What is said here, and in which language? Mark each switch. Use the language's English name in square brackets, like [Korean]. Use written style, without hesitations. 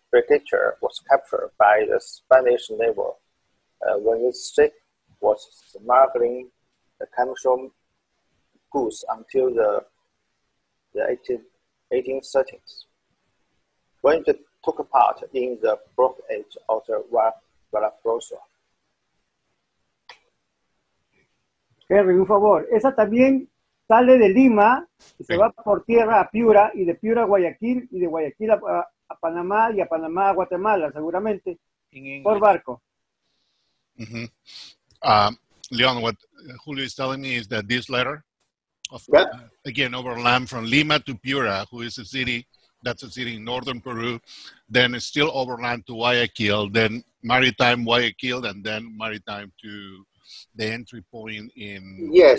[English] Frigate was captured by the Spanish naval when its ship was smuggling the commercial goods until the 1830s. When it took part in the blockade of the Valparaíso. [Spanish] Henry, un favor. Esa también sale de Lima, y se va por tierra a Piura, y de Piura a Guayaquil, y de Guayaquil a Panamá y a Panamá, Guatemala, seguramente, por barco. [English] Leon, what Julio is telling me is that this letter, of again, overland from Lima to Piura, who is a city, that's a city in northern Peru, then still overland to Guayaquil, then maritime Guayaquil, and then maritime to the entry point in